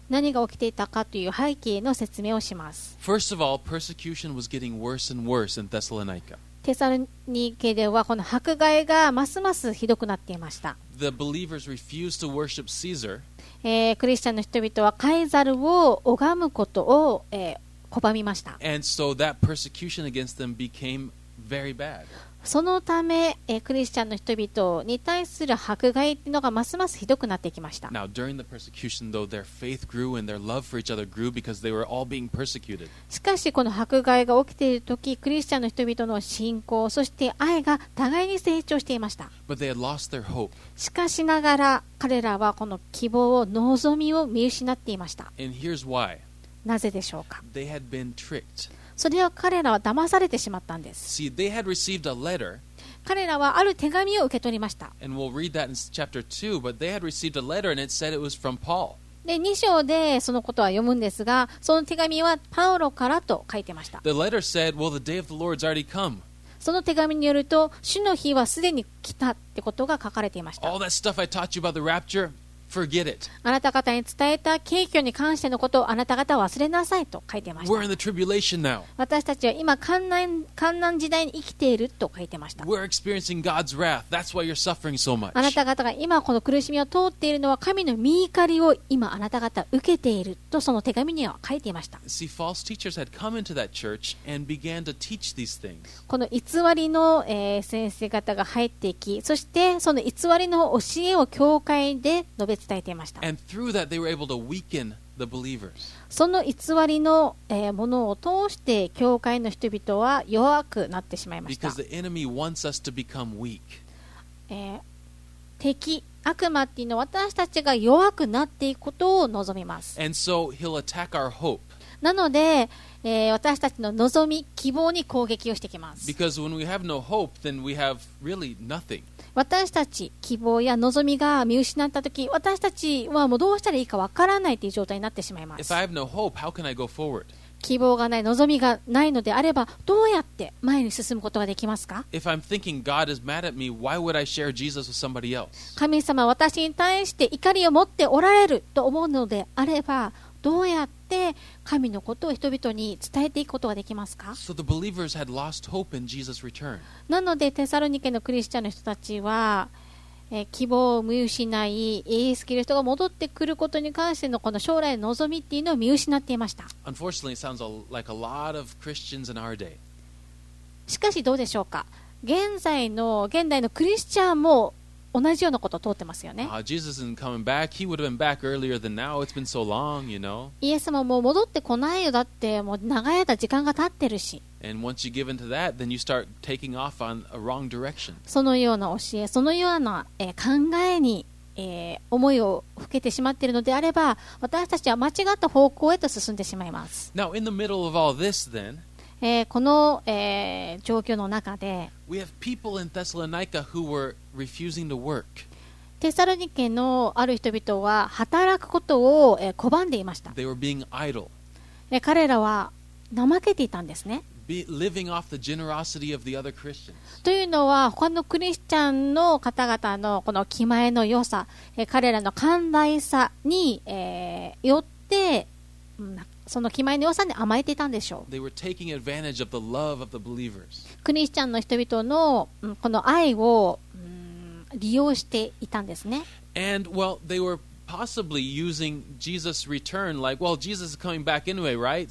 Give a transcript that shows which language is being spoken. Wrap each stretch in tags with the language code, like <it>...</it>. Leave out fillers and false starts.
<ja>何が起きていたかという背景の説明をします。</ja> <en>First of all, persecution was getting worse and worse in Thessalonica.</en> <ja>テサロニケではこの迫害がますますひどくなっていました。</ja> <en>The believers refused to worship Caesar.</en> <ja>クリスチャンの人々はカエサルを拝むことを、拒みました。</ja> <en>And so that persecution against them became very bad.</en> <ja>そのため、クリスチャンの人々に対する迫害というのがますますひどくなってきました。</ja> <en>Now, during the persecution, though, their faith grew and their love for each other grew because they were all being persecuted.</en> <ja>しかしこの迫害が起きているとき、クリスチャンの人々の信仰、そして愛が互いに成長していました。</ja> <en>But they had lost their hope.</en> <ja>しかしながら彼らはこの希望を、望みを見失っていました。</ja> <en>And here's why.</en> <ja>なぜでしょうか？</ja> <en>They had been tricked.</en> <ja>それは彼らは騙されてしまったんです。</ja> <en>See, they had received a letter.</en> <ja>彼らはある手紙を受け取りました。</ja> <en>And we'll read that in chapter 2, but they had received a letter and it said it was from Paul.</en> <ja>で、2章でそのことは読むんですが、その手紙はパウロからと書いてました。</ja> <en>The letter said, well, the day of the Lord's already come.</en> <ja>その手紙によると、主の日はすでに来たってことが書かれていました。</ja> <en>All that stuff I taught you about the rapture,Forget it.</en> <ja>あなた方に伝えた景況に関してのことをあなた方は忘れなさいと書いてました。</ja> <en>We're in the tribulation now.</en> <ja>私たちは今患難時代に生きていると書いてました。</ja> <en>We're experiencing God's wrath. That's why you're suffering so much.</en> <ja>あなた方が今この苦しみを通っているのは神の御怒りを今あなた方受けているとその手紙には書いていました。</ja> <en>See, false teachers had come into that church and began to teach these things.</en> <ja>この偽りの、先生方が入ってき、そしてその偽りの教えを教会で述べ伝えていました。</ja> <en>And through that, they were able to weaken the believers.</en> <ja>その偽りの、ものを通して教会の人々は弱くなってしまいました。</ja> <en>Because the enemy wants us to become weak.</en> <ja>敵、悪魔っていうのは私たちが弱くなっていくことを望みます。</ja> <en>And so he'll attack our hope.</en> <ja>なので、私たちの望み、希望に攻撃をしてきます。</ja> <en>Because when we have no hope, then we have really nothing.</en> <ja>私たち希望や望みが見失ったとき、私たちはもうどうしたらいいかわからないという状態になってしまいます。</ja> <en>If I have no hope, how can I go forward?</en> <ja>希望がない、望みがないのであればどうやって前に進むことができますか。</ja> <en>If I'm thinking God is mad at me, why would I share Jesus with somebody else?</en> <ja>神様は私に対して怒りを持っておられると思うのであれば、どうやって神のことを人々に伝えていくことができますか。</ja> <en>So the believers had lost hope in Jesus' return.</en> <ja>なのでテサロニケのクリスチャンの人たちは、希望を見失い、イエスキリストが戻ってくることに関してのこの将来の望みっていうのを見失っていました。</ja> <en>Unfortunately, it sounds like a lot of Christians in our day.</en> <ja>しかしどうでしょうか。現代のクリスチャンも同じようなことを通ってますよね。</ja> <en>Jesus isn't coming back. He would have been back earlier than now. It's been so long, you know.</en> <ja>イエス様もう戻ってこないよ。だってもう長い間時間が経ってるし。</ja> <en>And once you give into that, then you start taking off on a wrong direction.</en> <ja>そのような教え、そのような、考えに、思いをふけてしまっているのであれば、私たちは間違った方向へと進んでしまいます。</ja> <en>Now, in the middle of all this, then,</en> <ja>この、状況の中で、</ja> <en>We have people in Thessalonica who were refusing to work.</en> <ja>テサロニケのある人々は働くことを、拒んでいました。</ja> <en>They were being idle.</en> <ja>彼らは怠けていたんですね。</ja> <en>Living off the generosity of the other Christians.</en> <ja>というのは他のクリスチャンの方々のこの気前の良さ、彼らの寛大さに、よって、その気前の良さに甘えていたんでしょう。</ja> <en>They were taking advantage of the love of the believers.</en> <ja>クリスチャンの人々のこの愛を利用していたんですね。</ja> <en>And well, they were possibly using Jesus' return like, well, Jesus is coming back anyway, right?</en>